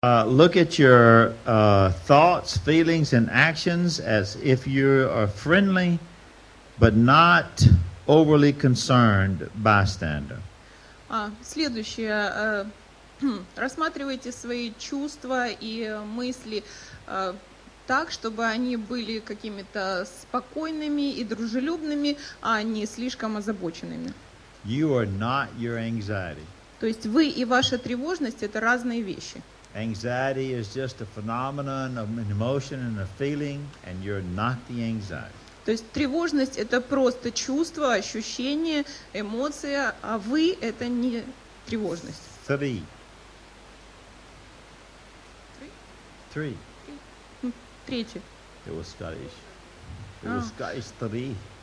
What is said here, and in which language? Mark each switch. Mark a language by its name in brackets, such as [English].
[English] Look at your thoughts, feelings, and actions as if you are friendly, but not overly concerned bystander. [Russian] Следующее. Рассматривайте свои чувства и мысли так, чтобы они были какими-то спокойными и дружелюбными, а не слишком озабоченными. [English] You are not your anxiety. [Russian] То есть вы и ваша тревожность – это разные вещи. [English] Anxiety is just a phenomenon of an emotion and a feeling, and you're not the anxiety. [Russian] То есть тревожность – это просто чувство, ощущение, эмоция, а вы – это не тревожность. [English] Three. [Russian] Третье. [English] It was Scottish. It was Scottish three.